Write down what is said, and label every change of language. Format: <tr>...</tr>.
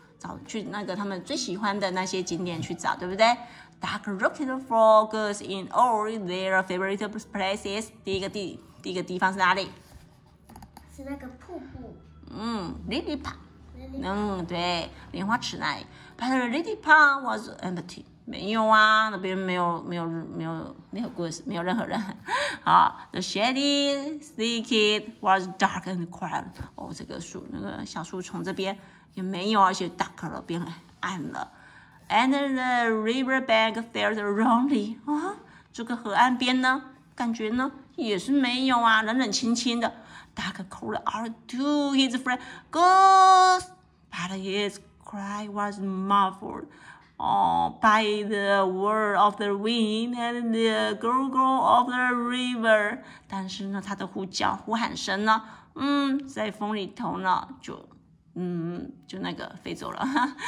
<zh>找去那个他们最喜欢的那些景点去找，对不对？</zh> <en>Duck looking for goose in all their favorite places.</en> <zh>第一个地方是哪里？是那个瀑布。</zh> <en>Lily Pond。</en> <zh>对，莲花池那里。</zh> <en>But Lily Pond was empty.</en> <zh>没有啊，那边没有 goose， 没有任何人。</zh> <en>The shady thicket was dark and quiet.</en> <zh>这个树，那个小树丛这边也没有，而且 dark 了，变暗了。</zh> <en>And the river bank felt lonely.</en> <zh>这个河岸边呢，感觉呢也是没有啊，冷冷清清的。</zh> <en>Duck called out to his friend, Goose! But his cry was muffled by the whirl of the wind and the gurgle of the river.</en> <zh>但是呢，他的呼叫呼喊声呢，在风里头呢，就那个飞走了。</zh>